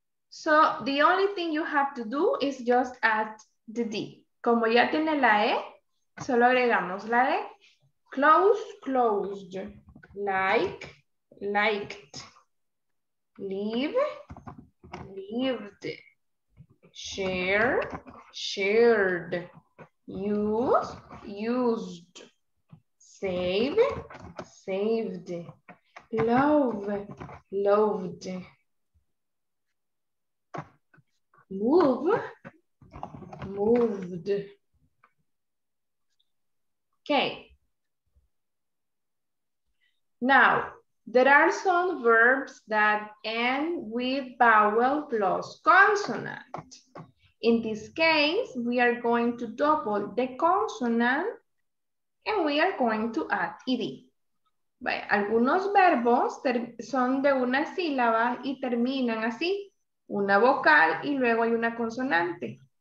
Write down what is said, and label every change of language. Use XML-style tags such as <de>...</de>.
<en>So the only thing you have to do is just add the D.</en> <es>Como ya tiene la E, solo agregamos la E.</es> <en>Close, closed. Like, liked. Leave, lived. Share, shared. Use, used. Save, saved. Love, loved. Move, moved. Okay. Now, there are some verbs that end with vowel plus consonant. In this case, we are going to double the consonant and we are going to add ed.</en> <es>Vaya, algunos verbos son de una sílaba y terminan así, una vocal y luego hay una consonante.</es>